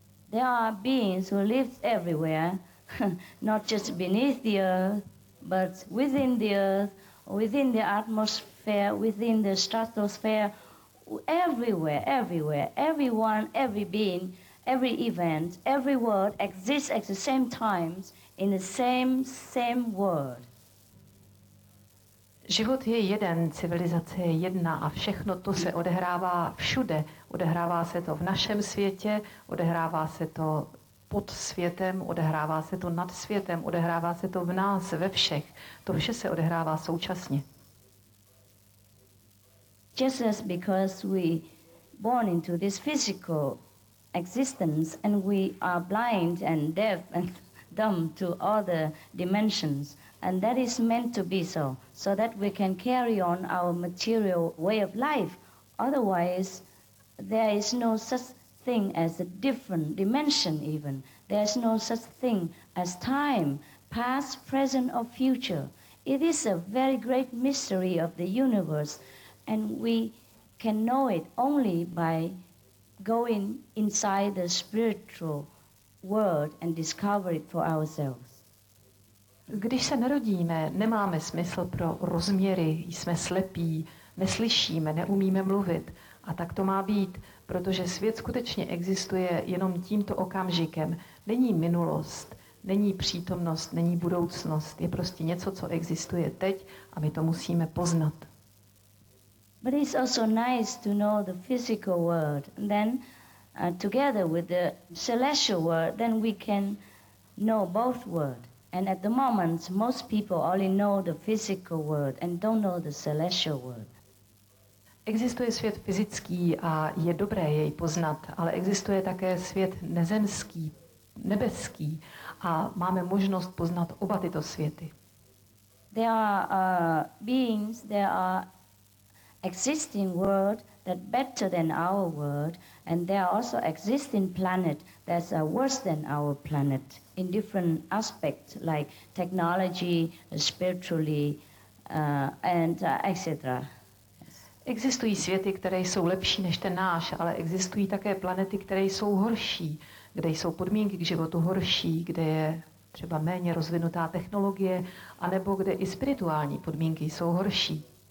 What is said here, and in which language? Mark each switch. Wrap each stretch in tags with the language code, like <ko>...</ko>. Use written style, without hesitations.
<en>There are beings who live everywhere, not just beneath the earth, but within the earth, within the atmosphere, within the stratosphere, everywhere, everywhere, everyone, every being, every event, every world exists at the same times in the same world.</en> <cs>Život je jeden, civilizace je jedna a všechno to se odehrává všude. Odehrává se to v našem světě, odehrává se to pod světem, odehrává se to nad světem, odehrává se to v nás, ve všech. To vše se odehrává současně.</cs> <en>Just as because we born into this physical existence and we are blind and deaf and dumb to all the dimensions, and that is meant to be so, so that we can carry on our material way of life. Otherwise, there is no such thing as a different dimension even. There is no such thing as time, past, present, or future. It is a very great mystery of the universe, and we can know it only by going inside the spiritual world and discover it for ourselves.</en> <cs>Když se narodíme, nemáme smysl pro rozměry, jsme slepí, neslyšíme, neumíme mluvit. A tak to má být, protože svět skutečně existuje jenom tímto okamžikem. Není minulost, není přítomnost, není budoucnost. Je prostě něco, co existuje teď a my to musíme poznat.</cs> <en>But it's also nice to know the physical world. Then together with the celestial world, then we can know both worlds. And at the moment, most people only know the physical world and don't know the celestial world.</en> <cs>Existuje svět fyzický a je dobré jej poznat, ale existuje také svět nezemský, nebeský a máme možnost poznat oba tyto světy.</cs> <en>There are beings, there are existing world that better than our world, and there are also existing planet that are worse than our planet. In different aspects, like technology, spiritually, etc.</en> <cs>Existují světy, které jsou lepší než ten náš, ale existují také planety, které jsou horší, kde jsou podmínky k životu horší, kde je třeba méně rozvinutá technologie, anebo kde i spirituální podmínky jsou horší.</cs>